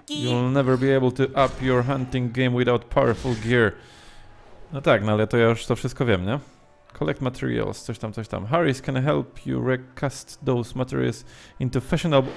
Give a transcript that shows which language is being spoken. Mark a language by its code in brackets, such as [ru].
[en] You'll never be able to up your hunting game without powerful gear. [pl] No tak, no ale to ja już to wszystko wiem, nie? [en] Collect materials, [pl] coś tam, coś tam. [en] Harris can help you recast those materials into fashionable...